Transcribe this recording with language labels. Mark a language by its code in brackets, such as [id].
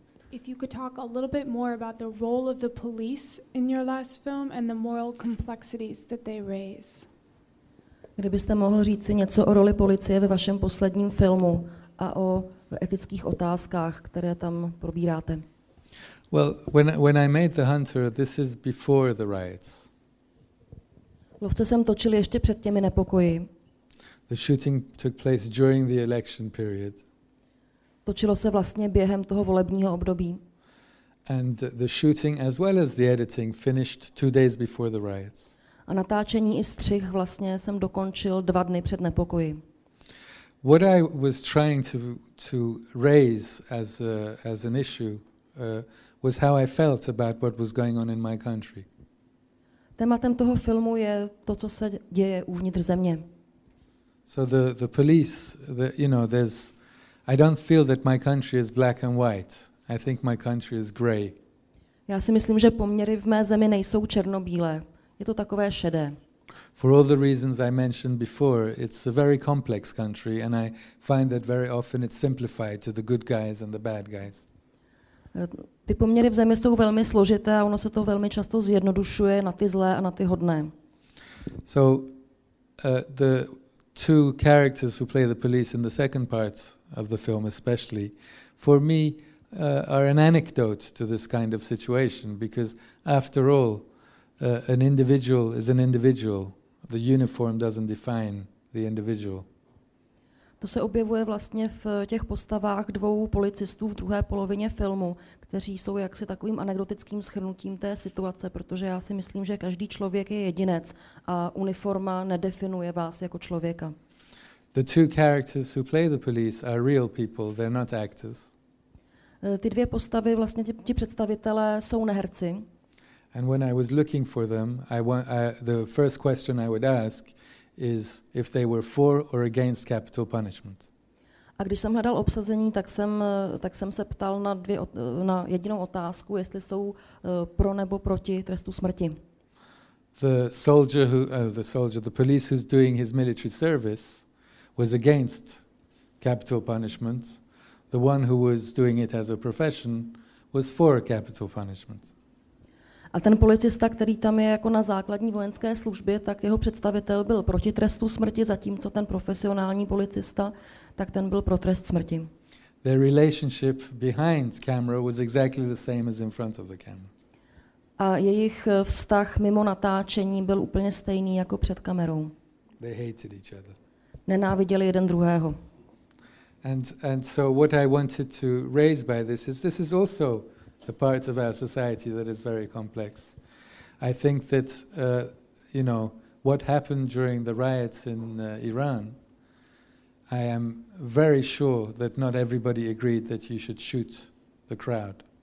[en] If you could talk a little bit more about the role of the police in your last film and the moral complexities that they raise. [cs] Kdybyste mohl říci něco o roli policie ve vašem posledním filmu a o etických otázkách, které tam probíráte. [en] Well, when I made The Hunter, this is before the riots. [cs] Lovce jsem točil ještě před těmi nepokoji. [en] The shooting took place during the election period. [cs] Točilo se vlastně během toho volebního období. [en] And the shooting as well as the editing finished 2 days before the riots. [cs] A natáčení i střih vlastně jsem dokončil 2 dny před nepokoji. [en] What I was trying to raise as an issue was how I felt about what was going on in my country. [cs] Tématem toho filmu je to, co se děje uvnitř země. [en] So the police, the, you know, there's, I don't feel that my country is black and white. I think my country is gray. [cs] Já si myslím, že poměry v mé zemi nejsou černobílé. Je to takové šedé. [en] For all the reasons I mentioned before, it's a very complex country and I find that very often it's simplified to the good guys and the bad guys. [cs] Ty poměry v zemi jsou velmi složité a ono se to velmi často zjednodušuje na ty zlé a na ty hodné. [en] So the two characters who play the police in the second part of the film especially, for me, are an anecdote to this kind of situation, because after all, an individual is an individual. The uniform doesn't define the individual. [cs] To se objevuje vlastně v těch postavách dvou policistů v druhé polovině filmu, kteří jsou jaksi takovým anekdotickým shrnutím té situace, protože já si myslím, že každý člověk je jedinec a uniforma nedefinuje vás jako člověka. [en] The two characters who play the police are real people, they're not actors. [cs] Ty dvě postavy, vlastně ti představitelé, jsou neherci. [en] And when I was looking for them, the first question I would ask is if they were for or against capital punishment. [cs] A když jsem hledal obsazení, tak jsem se ptal na jedinou otázku, jestli jsou pro nebo proti trestu smrti. [en] The police who's doing his military service was against capital punishment. The one who was doing it as a profession was for capital punishment. [cs] A ten policista, který tam je jako na základní vojenské službě, tak jeho představitel byl proti trestu smrti, zatímco ten profesionální policista, tak ten byl pro trest smrti. [en] Their relationship behind camera was exactly the same as in front of the camera. [cs] A jejich vztah mimo natáčení byl úplně stejný jako před kamerou. [en] They hated each other. [cs] Nenáviděli jeden druhého. [en] And so what I wanted to raise by this is also a part of our society that is very complex. I think that you know, what happened during the riots in Iran, I am very sure that not everybody agreed that you should shoot the crowd,